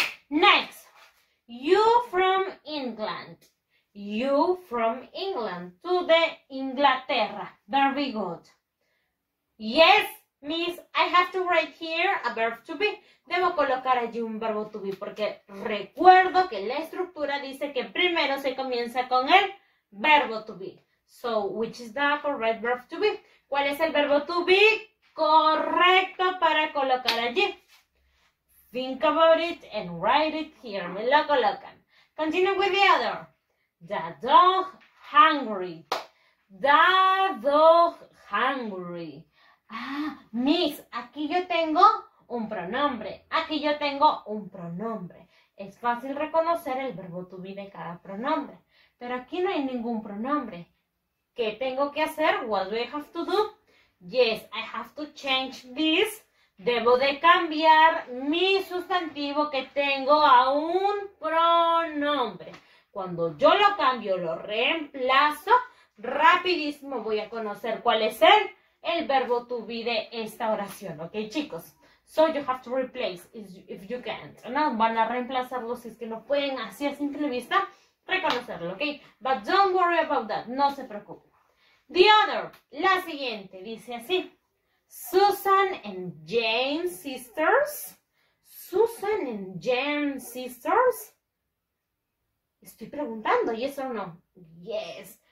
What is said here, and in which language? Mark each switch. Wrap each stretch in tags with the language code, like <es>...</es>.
<en>Next, you from England, you from England,</en> <es>tú de Inglaterra,</es> <en>very good. Yes, miss, I have to write here a verb to be,</en> <es>debo colocar allí un verbo to be, porque recuerdo que la estructura dice que primero se comienza con el verbo to be.</es> <en>So, which is the correct verb to be?</en> <es>¿Cuál es el verbo to be correcto para colocar allí?</es> <en>Think about it and write it here.</en> <es>Me lo colocan.</es> <en>Continue with the other. The dog hungry. The dog hungry.</en> <es>Ah, Miss, aquí yo tengo un pronombre. Aquí yo tengo un pronombre. Es fácil reconocer el verbo to be de cada pronombre. Pero aquí no hay ningún pronombre. ¿Qué tengo que hacer?</es> <en>What do I have to do? Yes, I have to change this.</en> <es>Debo de cambiar mi sustantivo que tengo a un pronombre. Cuando yo lo cambio, lo reemplazo, rapidísimo voy a conocer cuál es el verbo to be de esta oración. ¿Ok, chicos?</es> <en>So you have to replace if you can't.</en> <es>No, van a reemplazarlo si es que no pueden así a simple vista reconocerlo, ¿ok?</es> <en>But don't worry about that.</en> <es>No se preocupen.</es> <en>The other,</en> <es>la siguiente, dice así.</es> <en>Susan and Jane sisters. Susan and Jane sisters.</en> <es>Estoy preguntando,</es> <en>¿yes or no? Yes.</en>